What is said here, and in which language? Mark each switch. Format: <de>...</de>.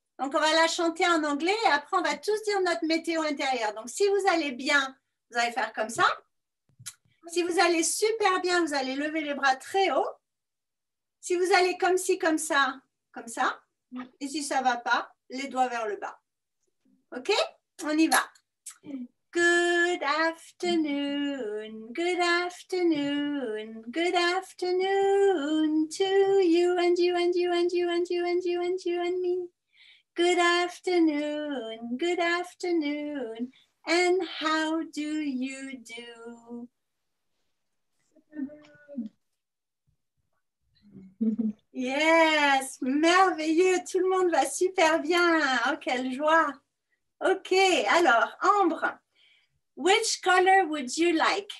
<fr>Donc, on va la chanter en anglais et après, on va tous dire notre météo intérieur. Donc, si vous allez bien, vous allez faire comme ça. Si vous allez super bien, vous allez lever les bras très haut. Si vous allez comme ci, comme ça. Et si ça ne va pas, les doigts vers le bas. OK? On y va.</fr> <en>Good afternoon, good afternoon, good afternoon to you and you and you and you and you and you and you and me. Good afternoon, good afternoon, and how do you do?</en> <fr>Yes, merveilleux, tout le monde va super bien. Oh, quelle joie. OK, alors, Ambre,</fr> <en>which color would you like?</en>